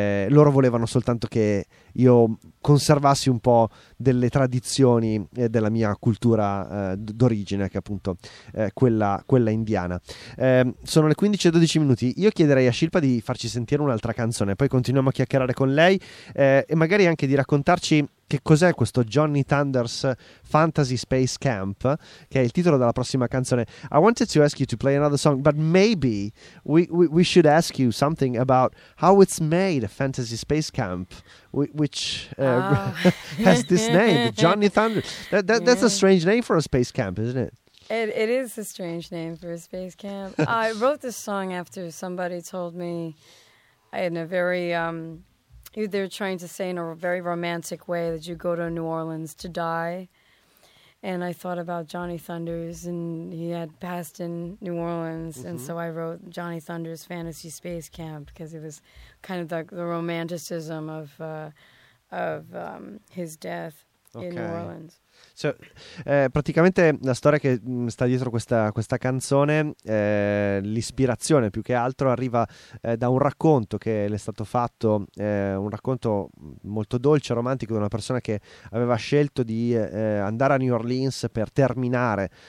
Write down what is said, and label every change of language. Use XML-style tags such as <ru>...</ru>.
<it>Loro volevano soltanto che io conservassi un po' delle tradizioni della mia cultura d'origine, che è appunto quella indiana. Sono le 15:12 minuti, io chiederei a Shilpa di farci sentire un'altra canzone, poi continuiamo a chiacchierare con lei e magari anche di raccontarci che cos'è questo Johnny Thunders Fantasy Space Camp, che è il titolo della prossima canzone.</it> <en>I wanted to ask you to play another song, but maybe we should ask you something about how it's made, Fantasy Space Camp, which has this name, Johnny Thunders. That's a strange name for a space camp, isn't it? It is a strange name for a space camp. I wrote this song after somebody told me in a very they're trying to say in a very romantic way that you go to New Orleans to die. And I thought about Johnny Thunders, and he had passed in New Orleans. Mm-hmm. And so I wrote Johnny Thunders Fantasy Space Camp because it was kind of the romanticism of his death. Okay. In New Orleans.</en> <it>So, praticamente la storia che sta dietro questa canzone, l'ispirazione più che altro arriva da un racconto che le è stato fatto, un racconto molto dolce, romantico, di una persona che aveva scelto di andare a New Orleans per terminare</it>